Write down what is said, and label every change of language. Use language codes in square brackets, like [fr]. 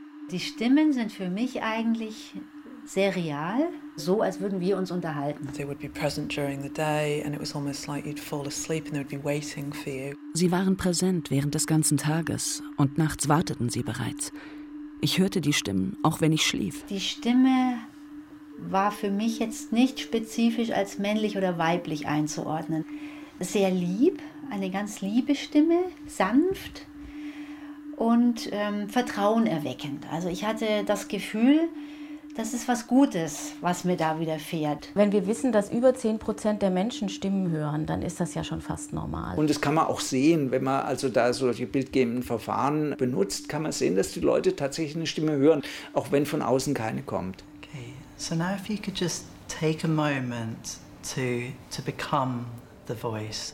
[de] Die Stimmen sind für mich eigentlich sehr real, so als würden wir uns unterhalten. [en] They would be present during the day and it was almost like you'd fall asleep and they would be waiting for you. [de] Sie waren präsent während des ganzen Tages und nachts warteten sie bereits. Ich hörte die Stimmen, auch wenn ich schlief. Die Stimme war für mich jetzt nicht spezifisch als männlich oder weiblich einzuordnen. Sehr lieb, eine ganz liebe Stimme, sanft und vertrauenerweckend. Also ich hatte das Gefühl, das ist was Gutes, was mir da widerfährt. Wenn wir wissen, dass über 10% der Menschen Stimmen hören, dann ist das ja schon fast normal. Und das kann man auch sehen, wenn man also da solche bildgebenden Verfahren benutzt, kann man sehen, dass die Leute tatsächlich eine Stimme hören, auch wenn von außen keine kommt. [en] Okay, so now if you could just take a moment to become the voice.